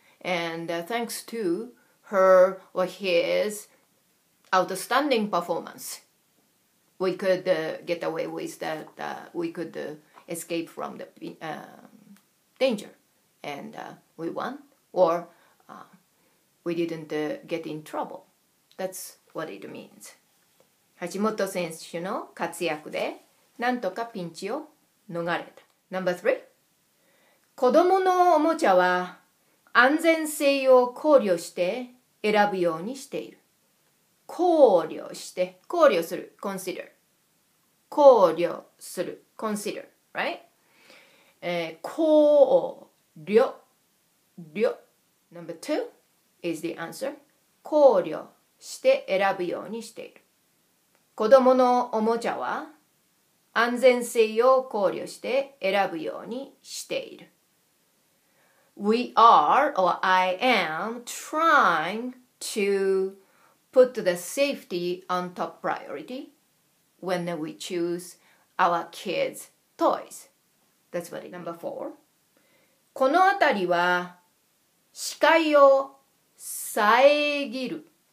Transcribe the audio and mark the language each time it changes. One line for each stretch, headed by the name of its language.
English: And thanks to her or his outstanding performance, we could get away with that, we could escape from the danger, and we won, or we didn't get in trouble. That's what it means.
Japanese: 橋本選手の活躍でなんとかピンチを逃れた。
English: Number 3.
Japanese: 子供のおもちゃは安全性を考慮して選ぶようにしている。
English: 考慮する consider. 考慮する consider, right?
Japanese: 考慮慮
English: Number 2 is the answer.
Japanese: 考慮して選ぶようにしている。子供のおもちゃは安全性を考慮して選ぶようにしている。
English: We are or I am trying to put the safety on top priority when we choose our kids' toys. That's what it number four.
Japanese: このあたりは視界を遮る